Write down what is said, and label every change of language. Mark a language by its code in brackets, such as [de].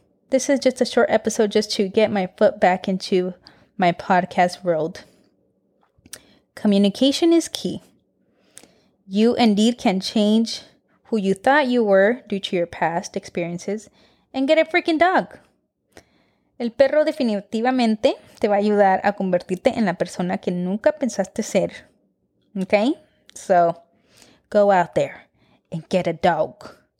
[en] This is just a short episode just to get my foot back into my podcast world. Communication is key. You indeed can change who you thought you were due to your past experiences and get a freaking dog. [es] El perro definitivamente te va a ayudar a convertirte en la persona que nunca pensaste ser. [en] Okay? So, go out there and get a dog.